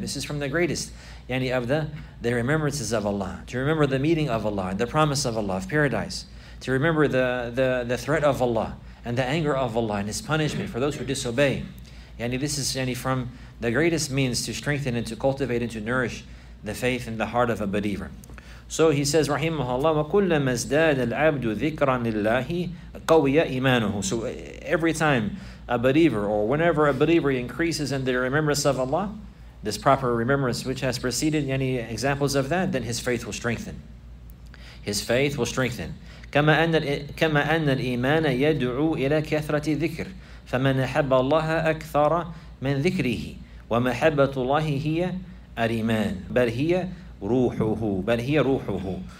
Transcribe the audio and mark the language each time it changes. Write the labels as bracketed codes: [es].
[en] This is from the greatest yani of the remembrances of Allah. To remember the meeting of Allah and the promise of Allah of paradise. To remember the threat of Allah and the anger of Allah and His punishment for those who disobey. Yani this is yani from the greatest means to strengthen and to cultivate and to nourish the faith in the heart of a believer. So he says, rahimahullah, [ar] وَكُلَّمَا ازْدَادَ الْعَبْدُ ذِكْرًا لِلَّهِ قَوِيَ إِيمَانُهُ. [en] So every time a believer, or whenever a believer increases in the remembrance of Allah, this proper remembrance which has preceded, any examples of that, then his faith will strengthen. His faith will strengthen. [ar] كَمَا أَنَّ الْإِيمَانَ يَدْعُو إِلَى كَثْرَةِ ذِكْرٍ فَمَنْ أَحَبَّ اللَّهَ أَكْثَرَ مِنْ ذِكْرِهِ وَمَحَبَّةُ اللَّهِ هِيَ الْإِيمَانُ بَلْ هِيَ رُوحُهُ بَلْ هِيَ رُوحُهُ.